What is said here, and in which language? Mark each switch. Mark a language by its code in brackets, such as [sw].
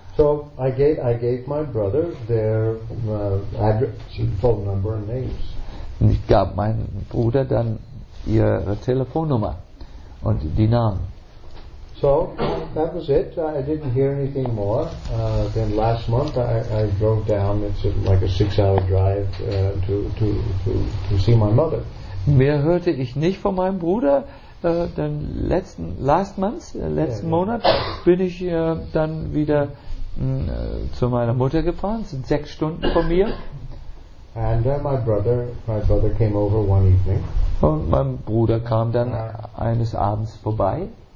[en] So I gave my brother their address, phone number and names. [de] Und ich gab meinem Bruder dann ihre Telefonnummer und die Namen. [en] So that was it. I didn't hear anything more. Then last month I drove down. It's like a 6-hour drive to see my mother. [de] Mehr hörte ich nicht von meinem Bruder. Letzten Monat bin ich dann wieder zu meiner Mutter gefahren, sind 6 Stunden von mir. [en] And my brother came over one evening. [de] Und mein Bruder kam dann eines Abends vorbei.